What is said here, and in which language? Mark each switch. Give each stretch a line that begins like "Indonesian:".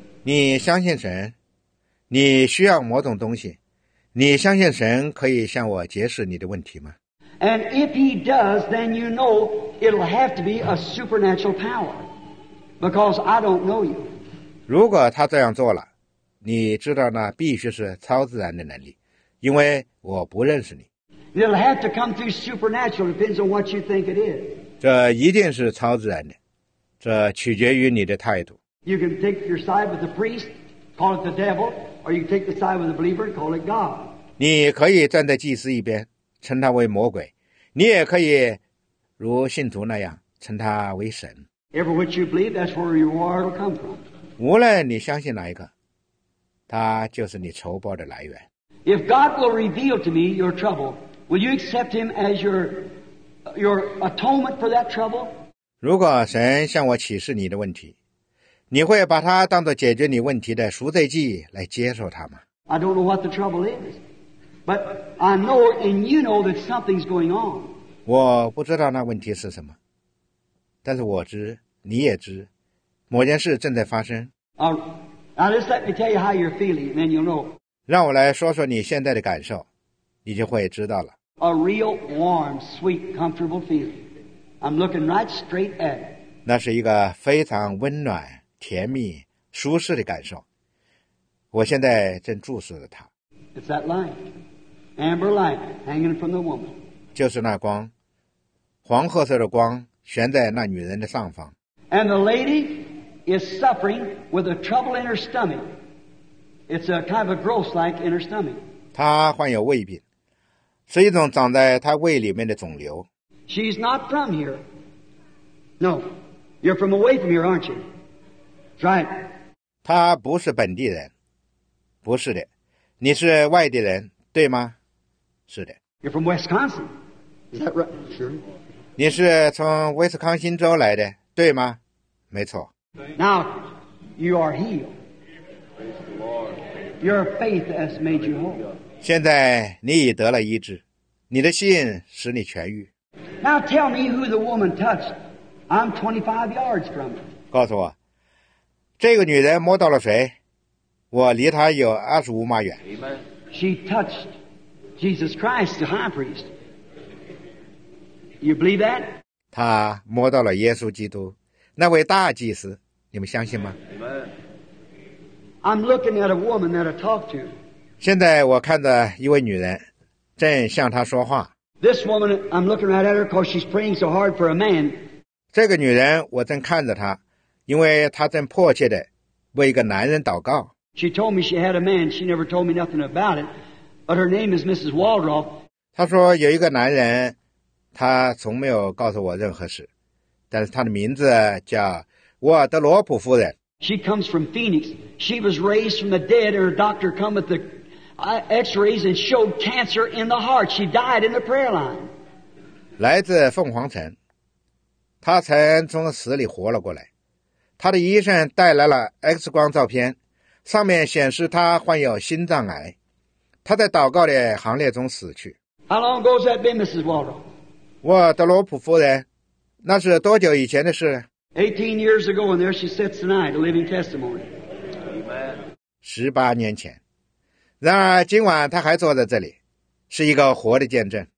Chinese: 你相信神，你需要某种东西，你相信神可以向我解释你的问题吗
English: ？And if He does, then you know it'll have to be a supernatural power, because I don't know you.
Chinese: 如果他这样做了。你知道那必须是超自然的能力，因为我不认识你。
English: It'll have to come through supernatural. Depends on what you think it is.
Chinese: 这一定是超自然的，这取决于你的态度。
English: You can take your side with the priest, call it the devil, or you can take the side with the believer, call it God.
Chinese: 你可以站在祭司一边，称他为魔鬼；你也可以如信徒那样，称他为神。
English: Every which you believe, that's where your reward will come from.
Chinese: 无论你相信哪一个。他就是你仇报的来源。
English: If God will reveal to me your trouble, will you accept Him as your atonement for that trouble?
Chinese: 如果神向我启示你的问题，你会把它当作解决你问题的赎罪祭来接受它吗
English: ？I don't know what the trouble is, but I know and you know that something's going on.
Chinese: 我不知道那问题是什么，但是我知，你也知，某件事正在发生。
English: Now just let me tell you how you're feeling, and then you'll know.
Chinese: 让我来说说你现在的感受，你就会知道了。
English: A real warm, sweet, comfortable feeling. I'm looking right straight at it.
Chinese: 那是一个非常温暖、甜蜜、舒适的感受。我现在正注视着它。
English: It's that light, amber light, hanging from the woman.
Chinese: 就是那光，黄褐色的光悬在那女人的上方。
English: And the lady. Is suffering with a trouble in her stomach. It's a kind of a growth like in her stomach. 她患有胃病，是一种长在她胃里面的肿瘤。 She's not from here. No, you're from away from here, aren't you? That's right.
Chinese: 她不是本地人，不是的。你是外地人，对吗？是的。
English: You're from Wisconsin. Is that right? Sure.
Chinese: 你是从威斯康星州来的，对吗？没错。
English: Now, you are healed. Praise the Lord. Your faith has made you whole.
Chinese: 现在你已得了医治，你的信使你痊愈。
English: Now tell me who the woman touched. I'm 25 yards from her.
Chinese: 告诉我，这个女人摸到了谁？我离她有25码远。
English: Amen. She touched Jesus Christ, the high priest. You believe that?
Chinese: 她摸到了耶稣基督。那位大祭司，你们相信吗
English: ？I'm looking at a woman that I talk to.
Chinese: 现在我看着一位女人，正向她说话。
English: This woman, I'm looking right at her because she's praying so hard for a man.
Chinese: 这个女人，我正看着她，因为她正迫切地为一个男人祷告。
English: She told me she had a man. She never told me nothing about it, but her name is Mrs. Waldrop.
Chinese: 她说有一个男人，她从没有告诉我任何事。但是她的名字叫沃德罗普夫人。
English: She comes from Phoenix. She was raised from the dead. Her doctor came with the X-rays and showed cancer in the heart. She died in the prayer line.
Chinese: 来自凤凰城，她曾从死里活了过来。她的医生带来了 X 光照片，上面显示她患有心脏癌。她在祷告的行列中死去。
English: How long ago has that been, Mrs. Waldo?
Chinese: 沃德罗普夫人。那是多久以前的事
English: ？18 years ago, and there she sits tonight, a living testimony. Amen.
Chinese: 18年前，然而今晚她还坐在这里，是一个活的见证。